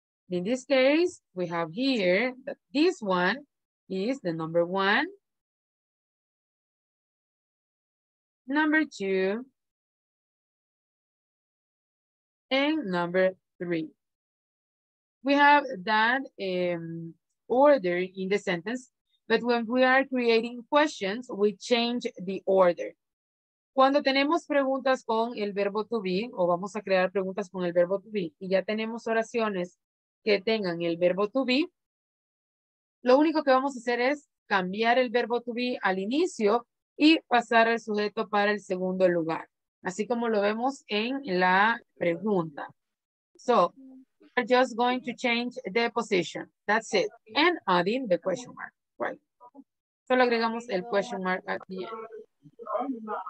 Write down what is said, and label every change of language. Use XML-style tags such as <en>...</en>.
<en>In this case, we have here that this one is the number one, number two, and number three. We have that order in the sentence, but when we are creating questions, we change the order.</en> <es>Cuando tenemos preguntas con el verbo to be, o vamos a crear preguntas con el verbo to be, y ya tenemos oraciones que tengan el verbo to be, lo único que vamos a hacer es cambiar el verbo to be al inicio y pasar al sujeto para el segundo lugar. Así como lo vemos en la pregunta.</es> <en>So, we're just going to change the position. That's it. And adding the question mark. Right.</en> <es>Solo agregamos el</es> <en>question mark at the end.</en>